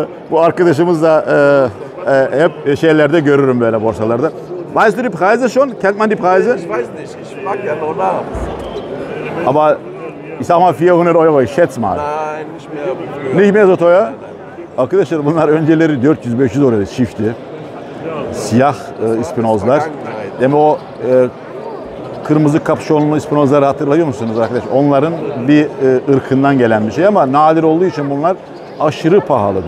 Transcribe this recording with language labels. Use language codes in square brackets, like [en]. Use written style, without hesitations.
[tr] bu arkadaşımız da hep şeylerde görürüm böyle borsalarda. [de] Weißt du die Preise schon? Kennt man die Preise? Ich weiß nicht. Ich frag ja nur nach. Aber ich sag mal 400 Euro, ich schätze mal. Nein, nicht mehr. Nicht mehr so teuer? [tr] Arkadaşlar bunlar önceleri 400-500 euro çifti. Siyah ispinozlar. Demek o kırmızı kapşonlu ispinozları hatırlıyor musunuz arkadaşlar? Onların bir ırkından gelen bir şey ama nadir olduğu için bunlar aşırı pahalı.